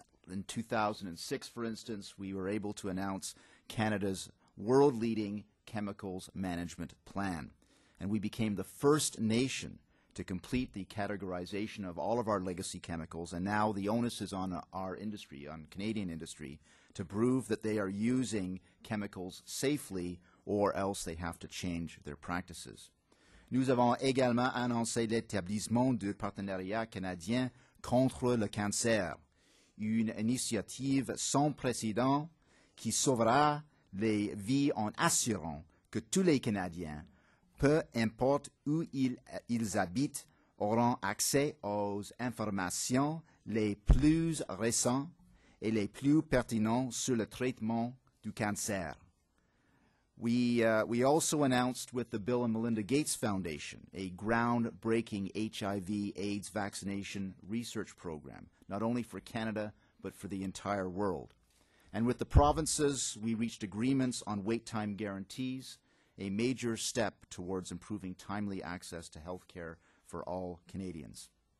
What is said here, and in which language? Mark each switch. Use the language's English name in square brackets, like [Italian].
[English] In 2006, for instance, we were able to announce Canada's world-leading chemicals management plan, and we became the first nation to complete the categorization of all of our legacy chemicals, and now the onus is on our industry, on Canadian industry, to prove that they are using chemicals safely or else they have to change their practices. [French] Nous avons également annoncé l'établissement du partenariat canadien contre le cancer, une initiative sans précédent qui sauvera les vies en assurant que tous les Canadiens, peu importe où ils habitent, auront accès aux informations les plus récentes et les plus pertinentes sur le traitement du cancer. [English] We also announced with the Bill and Melinda Gates Foundation a groundbreaking HIV/AIDS vaccination research program, not only for Canada, but for the entire world. And with the provinces, we reached agreements on wait time guarantees, a major step towards improving timely access to health care for all Canadians.